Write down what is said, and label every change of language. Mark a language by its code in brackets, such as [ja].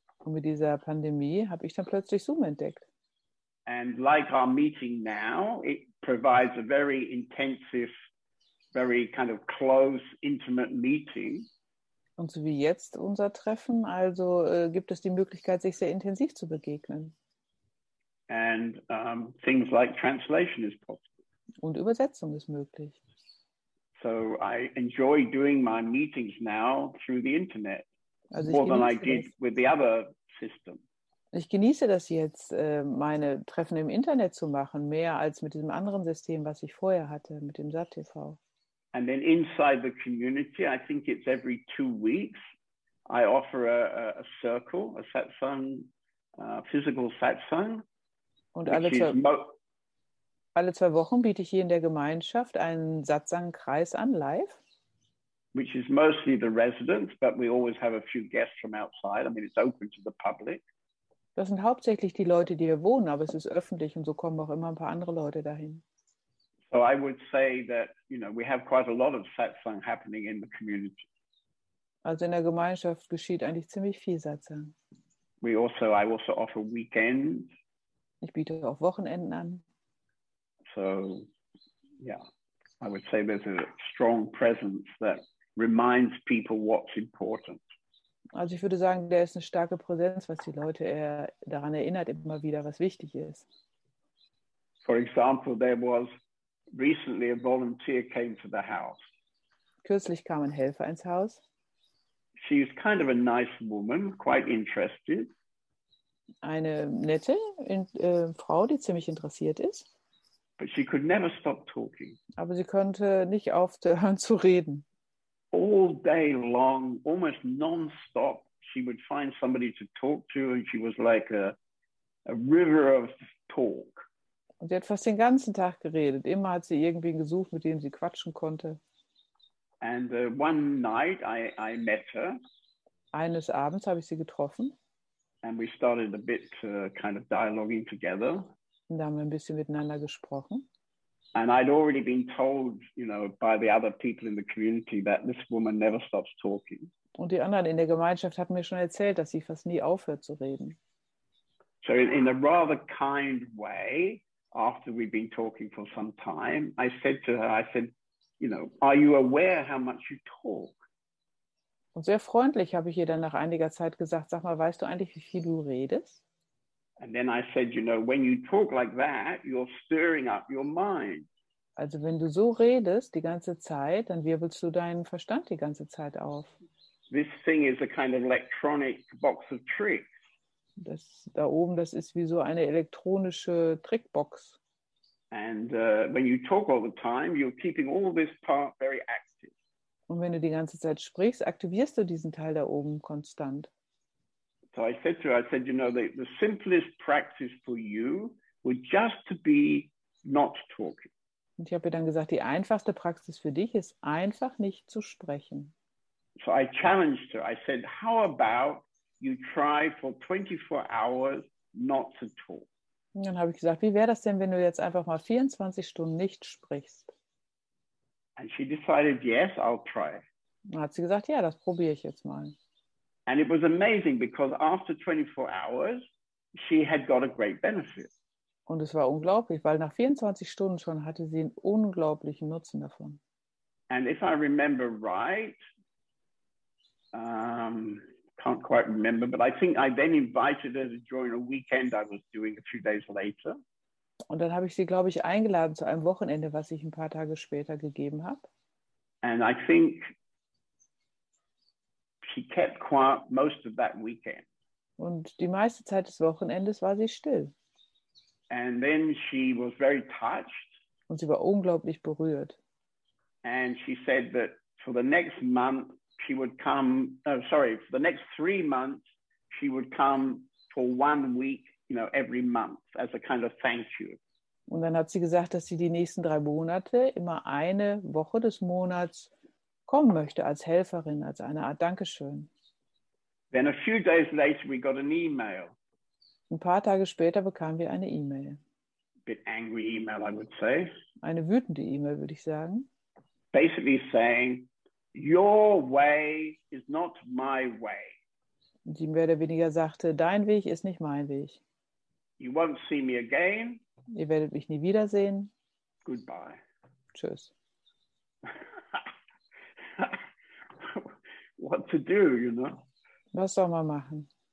[de] Und mit dieser Pandemie habe ich dann plötzlich Zoom entdeckt. [en] And like our meeting now, it provides a very intensive, very kind of close, intimate meeting. [de] Und so wie jetzt unser Treffen, also gibt es die Möglichkeit, sich sehr intensiv zu begegnen. [en] And things like translation is possible. [de] Und Übersetzung ist möglich. [en] So I enjoy doing my meetings now through the internet, also more than I did with the other system. [de] Ich genieße das jetzt, meine Treffen im Internet zu machen, mehr als mit diesem anderen System, was ich vorher hatte, mit dem SAT-TV. [en] And then inside the community, I think it's every 2 weeks, I offer a circle, a satsang, physical satsang. [de] Und alle zwei Wochen biete ich hier in der Gemeinschaft einen Satsang-Kreis an, live. [en] Which is mostly the residents, but we always have a few guests from outside. I mean, it's open to the public. [de] Das sind hauptsächlich die Leute, die hier wohnen, aber es ist öffentlich und so kommen auch immer ein paar andere Leute dahin. [en] So I would say that, you know, we have quite a lot of satsang happening in the community. [de] Also in der Gemeinschaft geschieht eigentlich ziemlich viel Satsang. [en] I also offer weekends. [de] Ich biete auch Wochenenden an. [en] So, yeah, I would say there's a strong presence that reminds people what's important. [de] Also ich würde sagen, da ist eine starke Präsenz, was die Leute eher daran erinnert, immer wieder, was wichtig ist. [en] For example, there was recently a volunteer came to the house. [de] Kürzlich kam ein Helfer ins Haus. [en] She is kind of a nice woman, quite interested. [de] Eine nette Frau, die ziemlich interessiert ist. [en] But she could never stop talking. [de] Aber sie konnte nicht aufhören zu reden. [en] All day long, almost non-stop, she would find somebody to talk to, and she was like a river of talk. [de] Und sie hat fast den ganzen Tag geredet. Immer hat sie irgendwen gesucht, mit dem sie quatschen konnte. [en] And one night I met her. [de] Eines Abends habe ich sie getroffen. [en] And we started a bit kind of dialoguing together. [de] Und da haben wir ein bisschen miteinander gesprochen. [en] And I'd already been told, you know, by the other people in the community that this woman never stops talking. [de] Und die anderen in der Gemeinschaft hatten mir schon erzählt, dass sie fast nie aufhört zu reden. [en] So in a rather kind way, after we'd been talking for some time, I said to her, I said, you know, are you aware how much you talk? [de] Und sehr freundlich habe ich ihr dann nach einiger Zeit gesagt, sag mal, weißt du eigentlich, wie viel du redest? [en] And then I said, you know, when you talk like that, you're stirring up your mind. [de] Also wenn du so redest die ganze Zeit, dann wirbelst du deinen Verstand die ganze Zeit auf. [en] This thing is a kind of electronic box of tricks. [de] Das da oben, das ist wie so eine elektronische Trickbox. [en] And when you talk all the time, you're keeping all this part very active. [de] Und wenn du die ganze Zeit sprichst, aktivierst du diesen Teil da oben konstant. [en] So I said to her, I said, you know, the simplest practice for you would just to be not talking. [de] Und ich habe ihr dann gesagt, die einfachste Praxis für dich ist einfach nicht zu sprechen. [en] So I challenged her. I said, how about you try for 24 hours not to talk? [de] Und dann habe ich gesagt, wie wäre das denn, wenn du jetzt einfach mal 24 Stunden nicht sprichst? [en] And she decided, yes, I'll try. [de] Dann hat sie gesagt, ja, das probiere ich jetzt mal. [en] And it was amazing because after 24 hours she had got a great benefit. [de] Und es war unglaublich, weil nach 24 Stunden schon hatte sie einen unglaublichen Nutzen davon. [en] And if I remember right, can't quite remember, but I think I then invited her to join a weekend I was doing a few days later. [de] Und dann habe ich sie, glaube ich, eingeladen zu einem Wochenende, was ich ein paar Tage später gegeben habe. [en] And I think she kept quiet most of that weekend. [de] Und die meiste Zeit des Wochenendes war sie still. [en] And then she was very touched. [de] Und sie war unglaublich berührt. [en] And she said that for the next month she would come, for the next 3 months she would come for 1 week, you know, every month as a kind of thank you. [de] Und dann hat sie gesagt, dass sie die nächsten 3 Monate immer eine Woche des Monats kommen möchte als Helferin, als eine Art Dankeschön. [en] Then a few days later we got an email. [de] Ein paar Tage später bekamen wir eine E-Mail. [en] A bit angry email, I would say. [de] Eine wütende E-Mail, würde ich sagen. [en] Basically saying, your way is not my way. [de] Die mehr oder weniger sagte, dein Weg ist nicht mein Weg. [en] You won't see me again. [de] Ihr werdet mich nie wiedersehen. [en] Goodbye. [de] Tschüss. [en] What to do, you know? [de] Was soll man machen?